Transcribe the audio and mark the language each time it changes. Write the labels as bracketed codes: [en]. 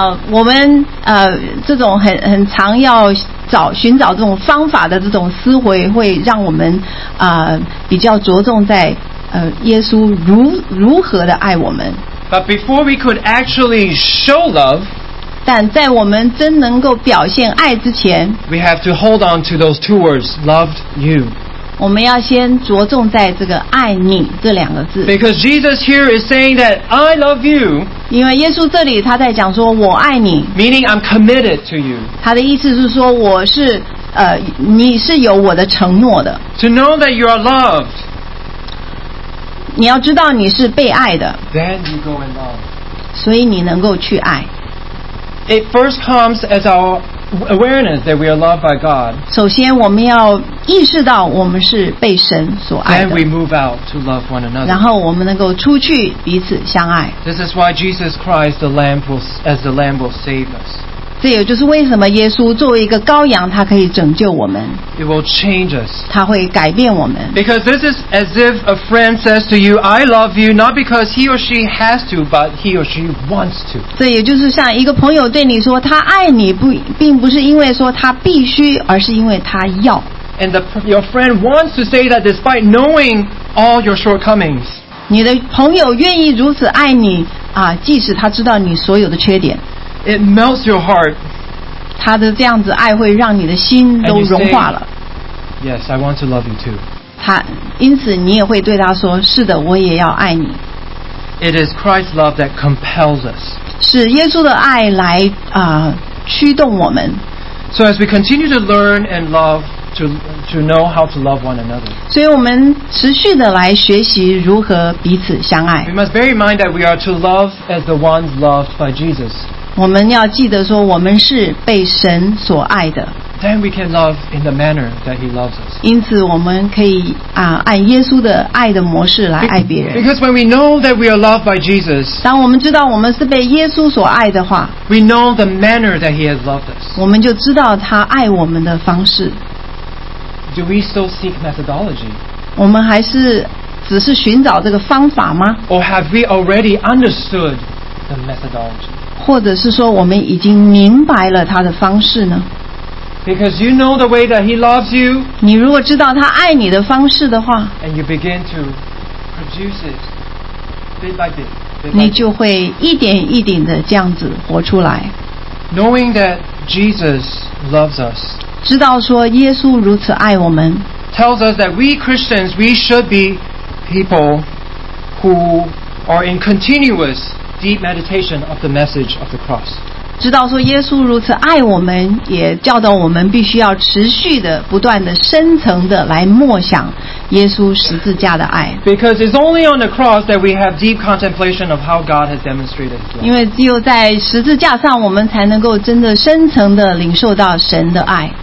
[zh] 我们这种很常要寻找这种方法的这种思维，会让我们比较着重在耶稣如何的爱我们。 [en] But before we could actually show love. [zh] 但在我们真能够表现爱之前 [en] We have to hold on to those two words Loved you [zh] 我们要先着重在这个爱你这两个字 [en] Because Jesus here is saying that I love you [zh] 因为耶稣这里他在讲说我爱你 [en] Meaning I'm committed to you [zh] 他的意思是说我是你是有我的承诺的 [en] To know that you are loved [zh] 你要知道你是被爱的 [en] Then you go in love [zh] 所以你能够去爱 [en] It first comes as our awareness that we are loved by God. [zh] 首先我们要意识到我们是被神所爱的。 [en] Then we move out to love one another. [zh] 然后我们能够出去彼此相爱。 [en] This is why Jesus Christ, the Lamb, as the Lamb will save us. [zh] 这也就是为什么耶稣作为一个羔羊，他可以拯救我们。 [en] It will change us. [zh] 他会改变我们。 [en] Because this is as if a friend says to you, I love you, not because he or she has to, but he or she wants to. [zh] 这也就是像一个朋友对你说，他爱你不，并不是因为说他必须，而是因为他要。 [en] And your friend wants to say that despite knowing all your shortcomings. [zh] 你的朋友愿意如此爱你啊，即使他知道你所有的缺点。 [en] It melts your heart. [zh] 他的这样子爱会让你的心都融化了。 [en] And you say, yes, I want to love you too. [zh] 他因此你也会对他说，是的，我也要爱你。 [en] It is Christ's love that compels us. [zh] 是耶稣的爱来驱动我们。 [en] So as we continue to learn and love to know how to love one another. [zh] 所以我们持续的来学习如何彼此相爱。 [en] We must bear in mind that we are to love as the ones loved by Jesus. [zh] 我们要记得说我们是被神所爱的 [en] Then we can love in the manner that he loves us [zh] 因此我们可以按耶稣的爱的模式来爱别人 [en] Because when we know that we are loved by Jesus [zh] 当我们知道我们是被耶稣所爱的话 [en] We know the manner that he has loved us [zh] 我们就知道他爱我们的方式 [en] Do we still seek methodology? [zh] 我们还是只是寻找这个方法吗 [en] Or have we already understood the methodology? [zh] 或者是说我们已经明白了他的方式呢 [en] Because you know the way that he loves you [zh] 你如果知道他爱你的方式的话 [en] And you begin to produce it bit by bit [zh] 你就会一点一点的这样子活出来 [en] Knowing that Jesus loves us [zh] 知道说耶稣如此爱我们 [en] Tells us that we Christians we should be people who are in continuousDeep meditation of the message of the cross. [zh] 知道说耶稣如此爱我们，也教导我们必须要持续的、不断的、深层的来默想耶稣十字架的爱。 [en] Because it's only on the cross that we have deep contemplation of how God has demonstrated His love. [zh] 因为只有在十字架上，我们才能够真的深层的领受到神的爱。